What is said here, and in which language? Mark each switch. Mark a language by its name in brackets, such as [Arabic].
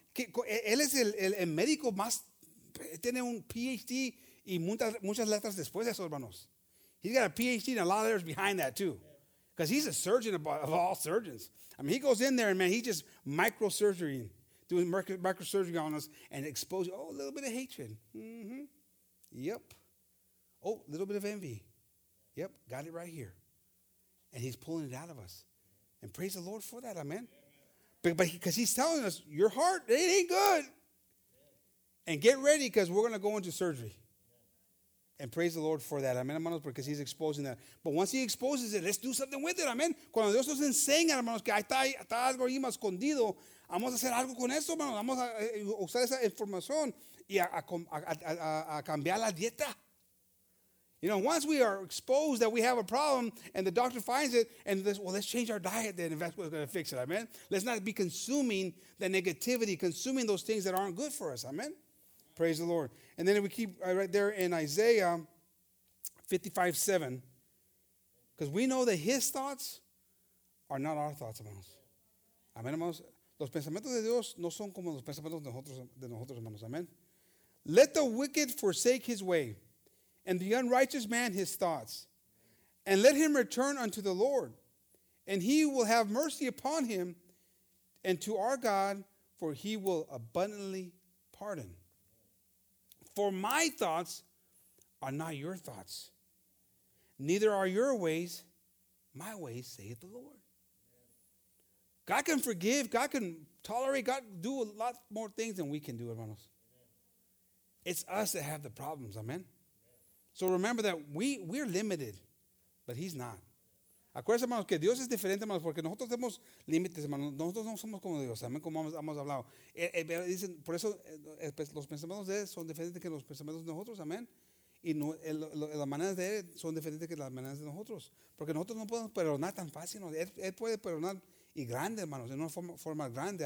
[Spanish] Él es el médico más, tiene un PhD y muchas letras después de eso, hermanos. [English] He's got a PhD and a lot of letters behind that, too. Because he's a surgeon of all surgeons. I mean, he goes in there, and man, he's just microsurgery, doing microsurgery on us and exposing, a little bit of hatred. Mm-hmm. Yep. Oh, a little bit of envy. Yep, got it right here. And he's pulling it out of us. And praise the Lord for that, amen. But because he's telling us, your heart, it ain't good. And get ready because we're going to go into surgery. And praise the Lord for that. Amen, hermanos, because he's exposing that. But once he exposes it, let's do something with it. Amen. [Spanish] Cuando Dios nos enseña, hermanos, que está algo ahí más escondido, vamos a hacer algo con eso, hermanos. Vamos a usar esa información y a cambiar la dieta. [English] You know, once we are exposed that we have a problem and the doctor finds it, and let's change our diet then if that's what's going to fix it, amen? Let's not be consuming the negativity, consuming those things that aren't good for us, amen? Praise the Lord. And then if we keep right there in Isaiah 55:7, because we know that his thoughts are not our thoughts, hermanos. Amen, hermanos? [Spanish] Los pensamientos de Dios no son como los pensamientos de nosotros, hermanos, amen? [English] Let the wicked forsake his way, and the unrighteous man his thoughts. And let him return unto the Lord, and he will have mercy upon him, and to our God, for he will abundantly pardon. For my thoughts are not your thoughts, neither are your ways my ways, saith the Lord. God can forgive, God can tolerate, God can do a lot more things than we can do, hermanos. It's us that have the problems, amen? So remember that we're limited, but he's not. [Spanish] Acuérdense, hermanos, que Dios es diferente, hermanos, porque nosotros tenemos límites, hermanos. Nosotros no somos como Dios, amén, como hemos hablado. Dicen, por eso los pensamientos de él son diferentes que los pensamientos de nosotros, amén. Y no, las maneras de él son diferentes que las maneras de nosotros. Porque nosotros no podemos perdonar tan fácil. Él puede perdonar y grande, hermanos, de una forma grande.